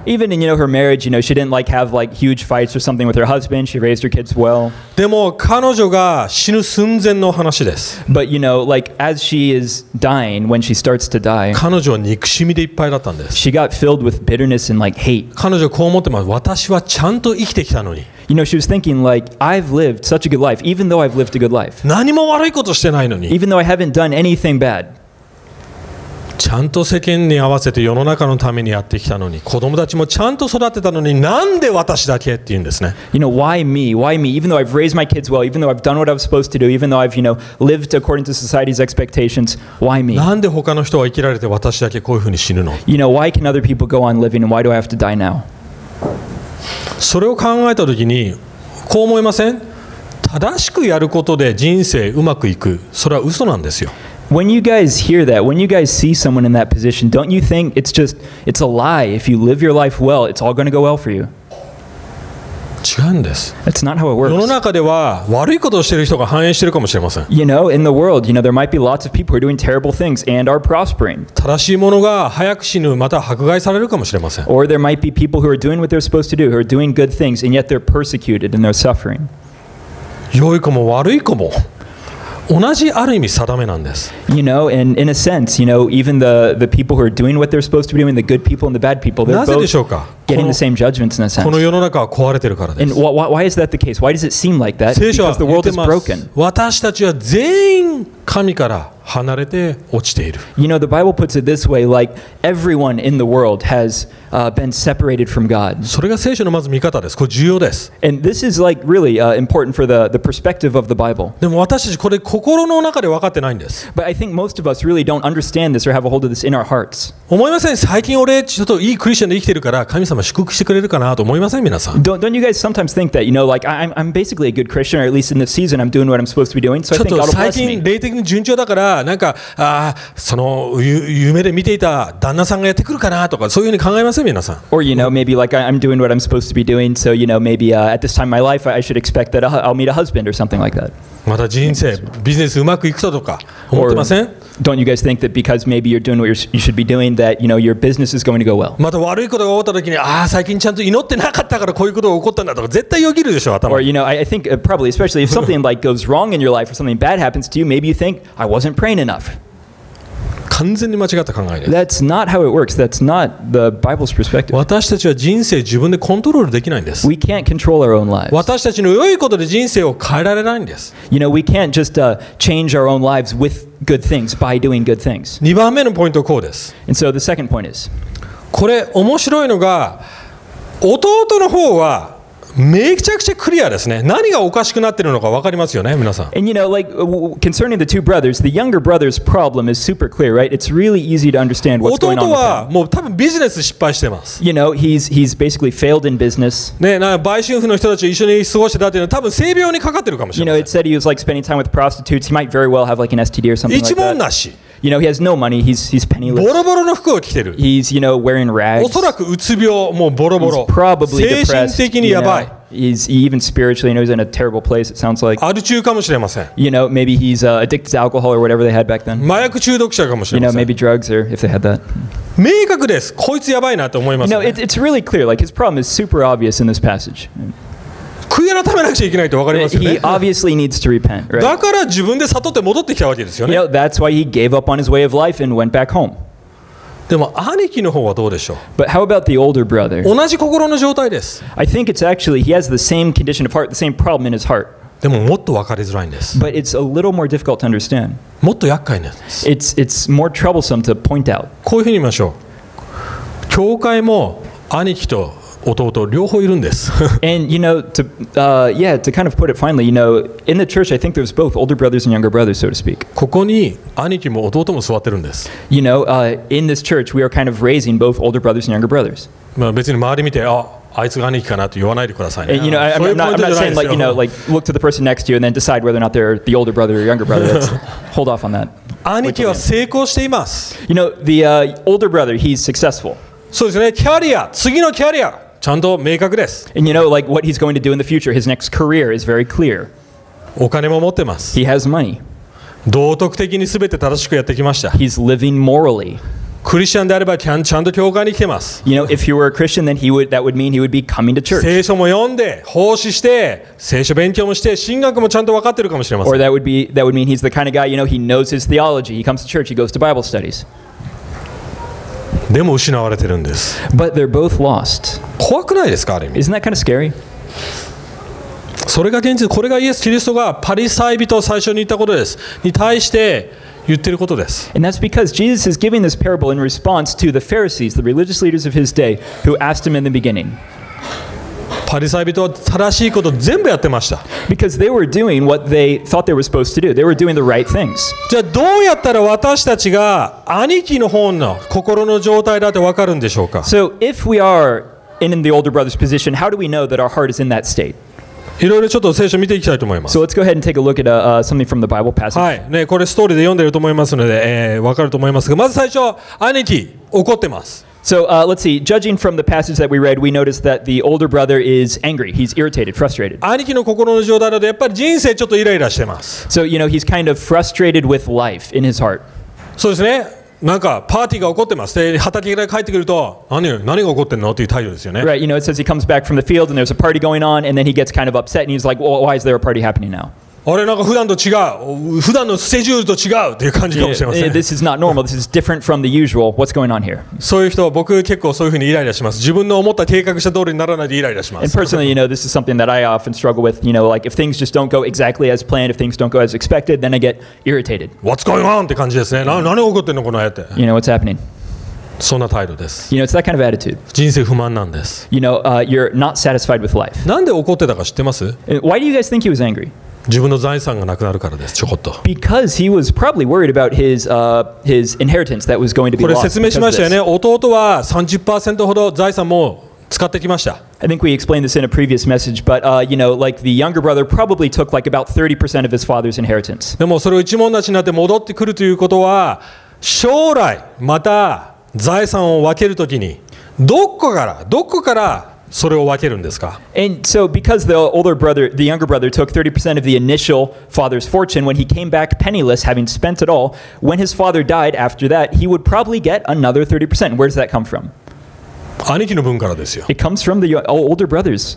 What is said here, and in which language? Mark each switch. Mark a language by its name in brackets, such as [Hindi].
[English] Even in, you know, her marriage, you know, she didn't like have like huge fights or something with her husband. She raised her kids well. [Japanese] でも彼女が死ぬ寸前の話です。 [English] But you know, like as she is dying, when she starts to die, [Japanese] 彼女は憎しみでいっぱいだったんです。 [English] She got filled with bitterness and like hate. [Japanese] 彼女はこう思ってます。私はちゃんと生きてきたのに。 [English] You know, she was thinking like, I've lived such a good life, even though I've lived a good life. [Japanese] 何も悪いことしてないのに。 [English] Even though I haven't done anything bad. [Japanese] ちゃんと世間に合わせて世の中のためにやってきたのに、子供たちもちゃんと育てたのに、なんで私だけって言うんですね。 [English] You know, why me? Why me? Even though I've raised my kids well, even though I've done what I was supposed to do, even though I've, you know, lived according to society's expectations, why me? [Japanese] なんで他の人は生きられて私だけこういうふうに死ぬの？ [English] You know, why can other people go on living and why do I have to die now? [Japanese] それを考えたときに、こう思いません？正しくやることで人生うまくいく、それは嘘なんですよ。 [English] When you guys hear that, when you guys see someone in that position, don't you think it's just, it's a lie. If you live your life well, it's all going to go well for you. [Japanese] 違うんです。 [English] That's not how it works. [Japanese] 世の中では悪いことをしている人が繁栄しているかもしれません。 [English] You know, in the world, you know, there might be lots of people who are doing terrible things and are prospering. [Japanese] 正しいものが早く死ぬ、または迫害されるかもしれません。 [English] Or there might be people who are doing what they're supposed to do, who are doing good things, and yet they're persecuted and they're suffering. [Japanese] 良い子も悪い子も。同じある意味定めなんです。 [English] You know, and in a sense, you know, even the people who are doing what they're supposed to be doing, the good people and the bad people, they're both getting the same judgments in a sense. [Japanese] この世の中は壊れてるからです。 [English] And why is that the case? Why does it seem like that? Because the world is broken. [Japanese] 私たちは全員神から離れて落ちている。 [English] You know, the Bible puts it this way, like everyone in the world has been separated from God. [Japanese] それが聖書のまず見方です。これ重要です。 [English] And this is like really important for the perspective of the Bible. [Japanese] でも私たちこれ心の中で分かってないんです。 [English] But I think most of us really don't understand this or have a hold of this in our hearts. [Japanese] 思いません。最近俺ちょっといいクリスチャンで生きてるから神様祝福してくれるかなと思いません皆さん。 [English] Don't you guys sometimes think that, you know, like I'm basically a good Christian or at least in this season I'm doing what I'm supposed to be doing, so I think God will bless me. [Japanese] ちょっと最近霊的に順調だから。なんかあその夢で見ていた旦那さんがやってくるかなとかそういうふうに考えません皆さん。 [English] Or you know maybe like I'm doing what I'm supposed to be doing, so you know maybe at this time in my life I should expect that I'll meet a husband or something like that. [Japanese] また人生ビジネスうまくいくとか思ってません。 [English] Don't you guys think that because maybe you're doing what you should be doing that you know your business is going to go well? [Japanese] また悪いことが起こった時に、ああ最近ちゃんと祈ってなかったからこういうことが起こったんだとか絶対よぎるでしょ頭。 [English] Or you know, I think probably especially if something like goes wrong in your life or something bad happens to you, maybe you think I wasn't praying enough. [Japanese] 完全に間違った考えです。 [English] That's not how it works. That's not the Bible's perspective. [Japanese] 私たちは人生自分でコントロールできないんです。 [English] We can't control our own lives. [Japanese] 私たちの良いことで人生を変えられないんです。 [English] You know, we can't just change our own lives with good things by doing good things. [Japanese] 2番目のポイントはこうです。 [English] And so the second point is. [Japanese] これ面白いのが弟の方はめちゃくちゃクリアですね。何がおかしくなってるのか分かりますよね、皆さん。 [English] And you know, like, concerning the two brothers, the younger brother's problem is super clear, right? It's really easy to understand what's going on with him. [Japanese] 弟はもう多分ビジネス失敗してます。 [English] You know, he's basically failed in business. [Japanese] ね、なんか売春婦の人たちと一緒に過ごしてたっていうのは多分性病にかかってるかもしれない。 [English] You know, it said he was like spending time with prostitutes. He might very well have like an STD or something like that. [Japanese] 一文なし。 [English] You know, he has no money. He's penniless. [Japanese] ボロボロの服を着てる。 [English] He's, you know, wearing rags. [Japanese] おそらくうつ病、もうボロボロ。 [English] He's probably depressed. [Japanese] 精神的にやばい。 [English] He's even spiritually, you know, he's in a terrible place, it sounds like. [Japanese] アル中かもしれません。 [English] You know, maybe he's addicted to alcohol or whatever they had back then. [Japanese] 麻薬中毒者かもしれません。 [English] You know, maybe drugs or if they had that. [Japanese] 明確です。こいつやばいなと思いますね。 [English] You know, it's really clear. Like, his problem is super obvious in this passage. [Japanese] 悔い改めなくちゃいけないと分かりますよね。 [English] He obviously needs to repent, right? [Japanese] だから自分で悟って戻ってきたわけですよね。 [English] You know, that's why he gave up on his way of life and went back home. [Japanese] でも兄貴の方はどうでしょう? [English] But how about the older brother? [Japanese] 同じ心の状態です。 [English] I think it's actually, he has the same condition of heart, the same problem in his heart. [Japanese] でももっと分かりづらいんです。 [English] But it's a little more difficult to understand. [Japanese] もっと厄介なんです。 [English] It's more troublesome to point out. [Japanese] こういうふうに言いましょう。教会も兄貴と弟両方いるんです。 [English] And you know, to kind of put it finally, you know, in the church, I think there's both older brothers and younger brothers, so to speak. [Japanese] ここに兄貴も弟も座ってるんです。 [English] You know, in this church, we are kind of raising both older brothers and younger brothers. [Japanese] まあ別に周り見て、あいつが兄貴かなと言わないでくださいね。 [English] You know, I'm not saying like, you know, like look to the person next to you and then decide whether or not they're the older brother or younger brother. Hold off on that. [Japanese] 兄貴は成功しています。 [English] You know, the older brother, he's successful. [Japanese] そうですね。キャリア、次のキャリア。ちゃんと明確です。 [English] And you know, like what he's going to do in the future, his next career is very clear. [Japanese] お金も持ってます。 [English] He has money. [Japanese] 道徳的に全て正しくやってきました。 [English] He's living morally. [Japanese] クリスチャンであればちゃんと教会に来てます。 [English] You know, if he were a Christian, then that would mean he would be coming to church. [Japanese] 聖書も読んで、奉仕して、聖書勉強もして、神学もちゃんと分かってるかもしれません。 [English] Or that would mean he's the kind of guy, you know, he knows his theology. He comes to church, he goes to Bible studies. [Japanese] でも失われてるんです。 [English] But they're both lost. [Japanese] 怖くないですか、ある意味。 [English] Isn't that kind of scary? [Japanese] それが現実、これがイエス・キリストがパリサイ人を最初に言ったことです。に対して言ってることです。 [English] And that's because Jesus is giving this parable in response to the Pharisees, the religious leaders of his day, who asked him in the beginning. [Japanese] パリサイ人は正しいこと全部やってました。 [English] Because they were doing what they thought they were supposed to do. They were doing the right things. [Japanese] じゃあどうやったら私たちが兄貴の方の心の状態だって分かるんでしょうか? [English] So if we are in the older brother's position, how do we know that our heart is in that state? [Japanese] いろいろちょっと聖書見ていきたいと思います。 [English] So let's go ahead and take a look at something from the Bible passage. [Japanese] はい、ね、これストーリーで読んでると思いますので、分かると思いますが、まず最初、兄貴、怒ってます。 [English] So let's see, judging from the passage that we read, we noticed that the older brother is angry. He's irritated, frustrated. [Japanese] 兄貴の心の状態だとやっぱり人生ちょっとイライラしてます。 [English] So, you know, he's kind of frustrated with life in his heart. [Japanese] そうですね。なんかパーティーが起こってます。で、畑から帰ってくると、何が起こってんのっていう態度ですよね。 [English] Right, you know, it says he comes back from the field and there's a party going on and then he gets kind of upset and he's like, well, why is there a party happening now? [Japanese] あれなんか普段と違う、普段のスケジュールと違うっていう感じかもしれません。 [English] This is not normal. This is different from the usual. What's going on here? [Japanese] そういう人は僕結構そういうふうにイライラします。自分の思った計画した通りにならないでイライラします。 [English] And personally, you know, this is something that I often struggle with. You know, like if things just don't go exactly as planned, if things don't go as expected, then I get irritated. What's going on? [Japanese] って感じですね。何が起こってんのこの辺って。 [English] You know, what's happening? [Japanese] そんな態度です。 [English] You know, it's that kind of attitude. [Japanese] 人生不満なんです。 [English] You know, you're not satisfied with life. [Japanese] なんで怒ってたか知ってます? [English] Why do you guys think he was angry? [Japanese] 自分の財産がなくなるからです。ちょこっと。 [English] Because he was probably worried about his inheritance that was going to be lost. [Japanese] これ説明しましたよね。弟は 30% ほど財産も使ってきました。 [English] I think we explained this in a previous message, but you know, like the younger brother probably took like about 30% of his father's inheritance. [Japanese] でもそれを一文無しになって戻ってくるということは、将来また財産を分けるときにどこからそれを分けるんですか? [English] And so because the older brother, the younger brother took 30% of the initial father's fortune when he came back penniless, having spent it all, when his father died after that, he would probably get another 30%. Where does that come from? [Japanese] 兄貴の分からですよ。 [English] It comes from the older brother's